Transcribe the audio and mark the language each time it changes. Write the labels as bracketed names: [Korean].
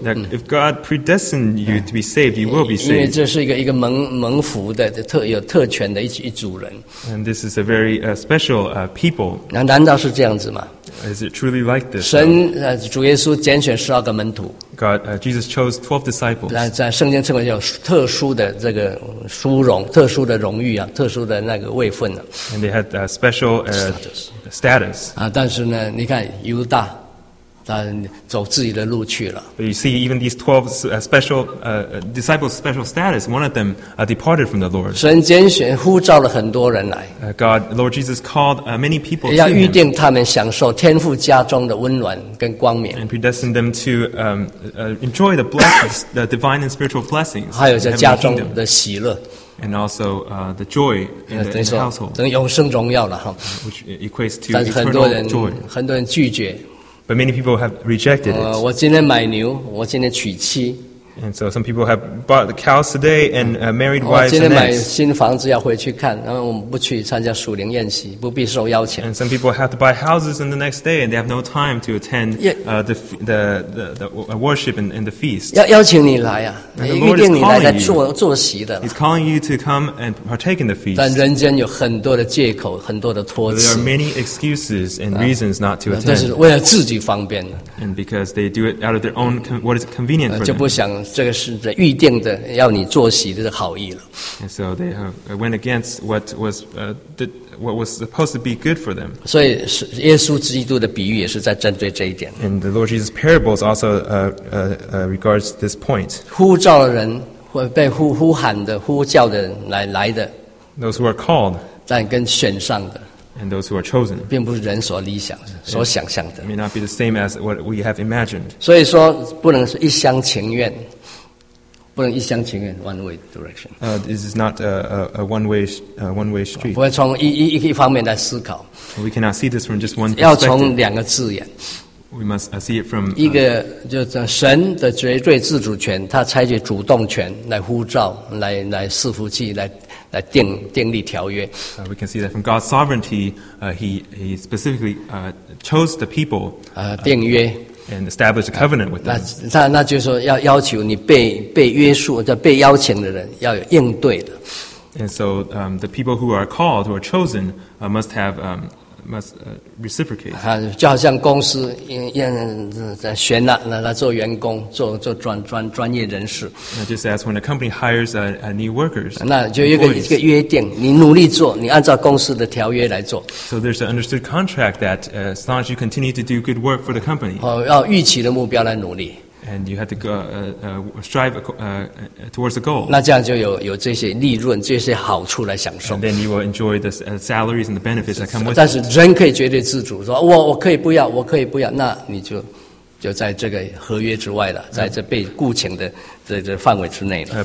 [English] if God predestined you to be saved, you will be saved. [Chinese] 因为这是一个蒙福的, 有特权的一组人。 [English] And this is a very special people. [Chinese] 难道是这样子吗? [English] Is it truly like this? [Chinese] 神, 主耶稣拣选12个门徒, [English] God, Jesus chose 12 disciples. [Chinese] 在圣经称为叫特殊的这个殊荣, 特殊的荣誉啊, 特殊的那个位分, [English] and they had special status. [Chinese] 但是呢, 你看, 犹大, 走自己的路去了。 [English] But you see, even these 12 special disciples' special status, one of them departed from the Lord. [Chinese] 神拣选, 呼召了很多人来, [English] God, Lord Jesus called many people to him. [Chinese] 要预定他们享受天父家中的温暖跟光明。 [English] And predestined them to enjoy the blessings, the divine and spiritual blessings. [Chinese] 还有在家中的喜乐。 [English] And also the joy in the household. [Chinese] 等永生荣耀了, [English] which equates to eternal joy. [Chinese] 很多人拒绝, [English] but many people have rejected it. [Chinese] 我今天买牛, 我今天娶妻, [English] and so some people have bought the cows today and married wives. [Chinese] 我今天买新房子要回去看, 然后我们不去参加属灵宴席, 不必受邀请。 [English] And some people have to buy houses in the next day and they have no time to attend the worship and the feast. [Chinese] 要邀请你来啊, [English] and the Lord is calling you. [Chinese] 坐席的, [English] He's calling you to come and partake in the feast. [Chinese] 但人间有很多的借口, 很多的托辞, [English] there are many excuses and reasons not to attend. [Chinese] 这是为了自己方便, [English] and because they do it out of their own what is convenient for them. [Chinese] 这个是预定的, 要你坐席的好意了。 [English] And so they went against what was supposed to be good for them. [Chinese] 所以耶稣基督的比喻也是在针对这一点。 [English] And the Lord Jesus' parables also regards this point. [Chinese] 呼召的人, 被呼喊的, 呼叫的人来的, [English] those who are called, [Chinese] 但跟选上的, [English] and those who are chosen, [Chinese] 并不是人所理想, 所想象的, [English] may not be the same as what we have imagined. [Chinese] 所以说不能是一厢情愿, 不能一厢情愿, [English] one way direction. This is not a one way street. [Chinese] 不会从一方面来思考, [English] we cannot see this from just one perspective. [Chinese] 要从两个字眼, [English] we must see it from [Chinese] 一个就是神的绝对自主权, 他采取主动权来呼召, 来伺服器, 来订立条约。 [English] We can see that from God's sovereignty, he specifically chose the people, [Chinese] 订约, [English] and established a covenant with them. [Chinese] 那就是说要求你被约束, 被邀请的人要有应对的。 [English] And so the people who are called, who are chosen, must have reciprocate. [Chinese] 就好像公司, 选了来做员工, 做专业人士。 [English] Just as when a company hires a new workers, [Chinese] 那就有一个约定, 你努力做, 你按照公司的条约来做。 [English] So there's an understood contract that as long as you continue to do good work for the company, [Chinese] 要预期的目标来努力。 [English] And you have to go, strive towards the goal. [Chinese] 那这样就有这些利润, 这些好处来享受。 [English] And then you will enjoy the salaries and the benefits that come with it. [Chinese] 但是人可以绝对自主, 说, 我可以不要, 我可以不要, 那你就, 就在这个合约之外了, 在这被雇请的这范围之内了。